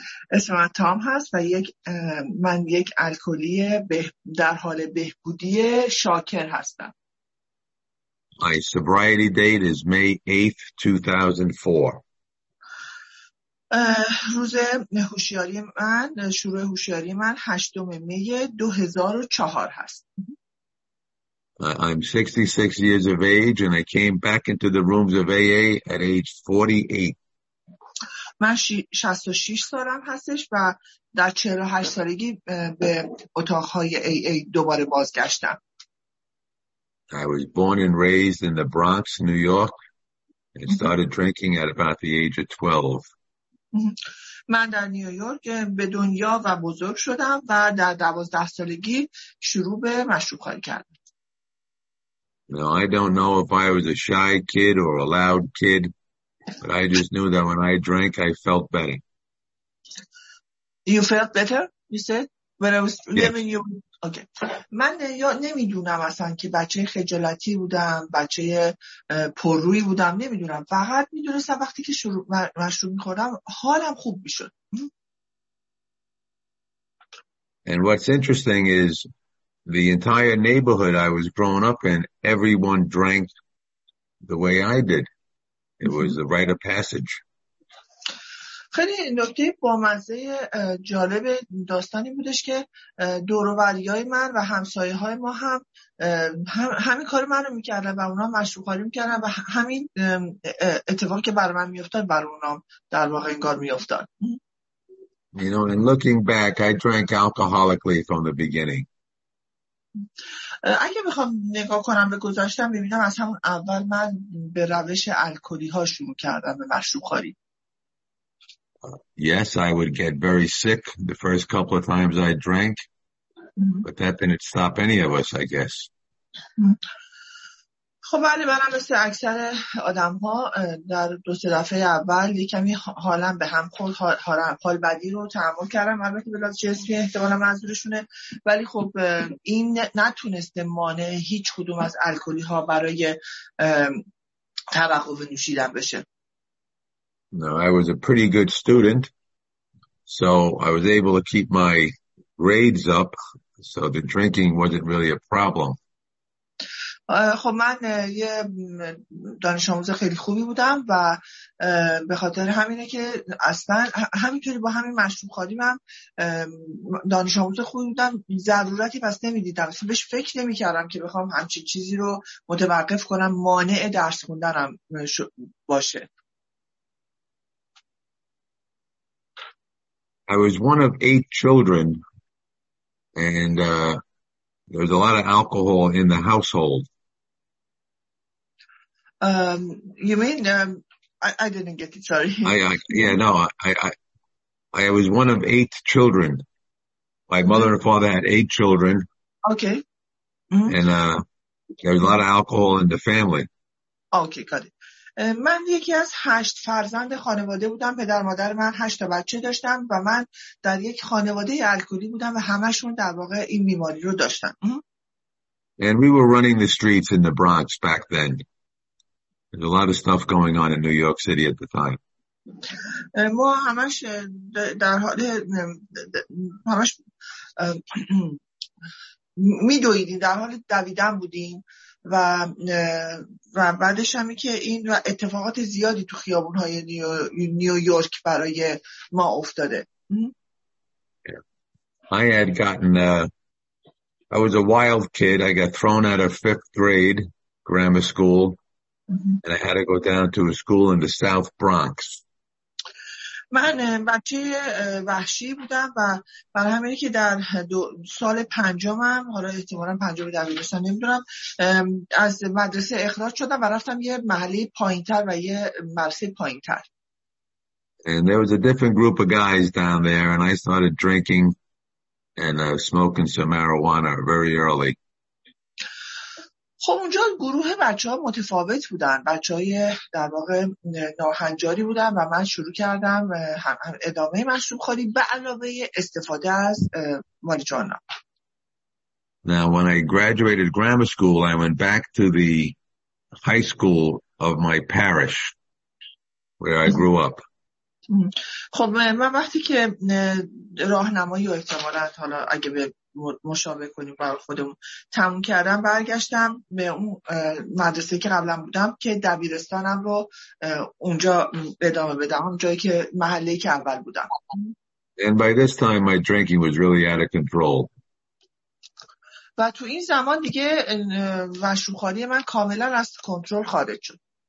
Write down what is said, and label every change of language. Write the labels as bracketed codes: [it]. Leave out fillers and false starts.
[fa] اسم من تام هست و من یک الکلی در حال بهبودی شاکر هستم. [en] My sobriety date is May 8th, 2004. [fa] روز هوشیاری من، شروع هوشیاری من 8 می 2004 هست. [en] I'm 66 years of age and I came back into the rooms of AA at age 48. [fa] من 66 سالم هستش و در 48 سالگی به اتاق‌های AA دوباره بازگشتم. [en] I was born and raised in the Bronx, New York, and started drinking at about the age of 12. [fa] من در نیویورک به دنیا و بزرگ شدم و در 12 سالگی شروع به مشروب‌خواری کردم. [en] Now, I don't know if I was a shy kid or a loud kid, but I just knew that when I drank, I felt better. You felt better, you said? When I was living you... Okay. [fa] من نمیدونم اصلا که بچه خجالتی بودم، بچه پررویی بودم، نمیدونم. فقط میدونستم وقتی که مشروب میخوردم حالم خوب میشد. [en] And what's interesting is the entire neighborhood I was growing up in, everyone drank the way I did. It was the rite of passage. [fa] خیلی نکته بامزه جالب داستانی بودش که دوروبریای من و همسایه های ما همین کار من رو میکردن و اونا مشروب‌خواری میکردن و همین اتفاق که برای من میافتاد برای اونا در واقع انگار میافتاد. [en] You know, and looking back, I drank alcoholically from the beginning. [fa] اگه بخوام نگاه کنم به گذشتم ببینم از همون اول من به روش الکلی ها شروع کردم به مشروب‌خواری. [en] Yes, I would get very sick the first couple of times I drank, but that didn't stop any of us, I guess. [fa] خب بله، من مثل اکثر آدم‌ها در دو سه دفعه اول یه کمی حالم به هم خورد، حال بدی رو تحمل کردم، البته به لحاظ جسمی احتمالاً منظورشونه، ولی خب این نتونسته مانع هیچ کدوم از الکلی‌ها برای توقف نوشیدن بشه. [en] No, I was a pretty good student, so I was able to keep my grades up, so the drinking wasn't really a problem. [fa] خب من یه دانش آموز خیلی خوبی بودم و به خاطر همینه که اصلا همینطوری با همین مشروب خوریم هم دانش آموز خوبی بودم، ضرورتی پس نمیدیدم، اصلا بهش فکر نمیکردم که بخوام همچین چیزی رو متوقف کنم، مانع درس خوندنم باشه. [en] I was one of 8 children and there was a lot of alcohol in the household. You mean I didn't get it, sorry. I was one of 8 children. My mother and father had 8 children. Okay. Mm-hmm. And There was a lot of alcohol in the family. Okay, got it. [fa] من یکی از 8 فرزند خانواده بودم. پدر مادر من 8 بچه داشتن و من در یک خانواده الکلی بودم و همشون در واقع این بیماری رو داشتن. [en] And we were running the streets in the Bronx back then. There's a lot of stuff going on in New York City at the time. [fa] ما همش در حال همش میدویدیم، در حال دویدن بودیم و و بعدش همی که این اتفاقات زیادی تو خیابون‌های نیویورک برای ما افتاده. [en] I had gotten I was a wild kid. I got thrown out of 5th grade grammar school and I had to go down to a school in the South Bronx. [fa] من بچه وحشی بودم و برای همینه که در سال پنجمم، حالا احتمالاً پنجم دبیرستان نمیدونم، از مدرسه اخراج شدم و رفتم یه محله پایین‌تر و یه مدرسه پایین‌تر. [en] And there was a different group of guys down there and I started drinking and smoking some marijuana very early. [fa] خب اونجا گروه بچه ها متفاوت بودن. بچه های در واقع ناهنجاری بودن و من شروع کردم هم ادامه مشروب خوری به علاوه استفاده از ماریجوانا. [en] Now when I graduated grammar school, I went back to the high school of my parish where I grew up. [fa] خب من وقتی که راهنمایی و احتمالات حالا اگه به مشابه کنیم برای خودم تموم کردم، برگشتم به اون مدرسه که قبلا بودم که دبیرستانم رو اونجا ادامه بدم، اون جایی که محله‌ای که اول بودم. [en] And by this time my drinking was really out of control. [fa] و تو این زمان دیگه مشروب‌خوری من کاملا از کنترل خارج شد.